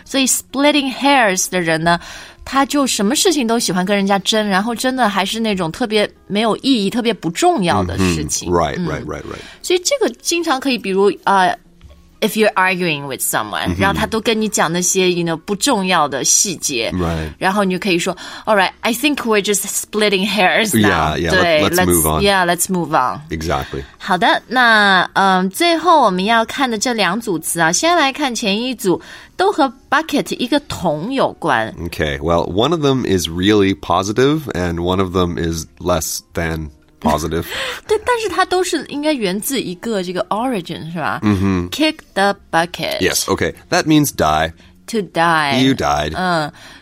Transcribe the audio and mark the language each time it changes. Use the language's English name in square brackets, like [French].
[Chinese] 所以 splitting hairs 的人呢他就什么事情都喜欢跟人家争然后真的还是那种特别没有意义特别不重要的事情。 [English] Right. [Chinese] 所以这个经常可以比如 [English] if you're arguing with someone, [Chinese] 然后他都跟你讲那些 [English] you know, [Chinese] 不重要的细节。 [English] Right. [Chinese] 然后你就可以说 [English] all right, I think we're just splitting hairs now. Yeah, let's move on. Yeah, let's move on. Exactly. [Chinese] 好的那最后我们要看的这两组词啊先来看前一组都和 bucket 一个桶有关。 [English] Okay, well, one of them is really positive and one of them is less than positive. [Chinese] 对但是它都是应该源自一个这个 origin, 是吧、 mm-hmm. [English] Kick the bucket. Yes, okay. That means die. To die. You died.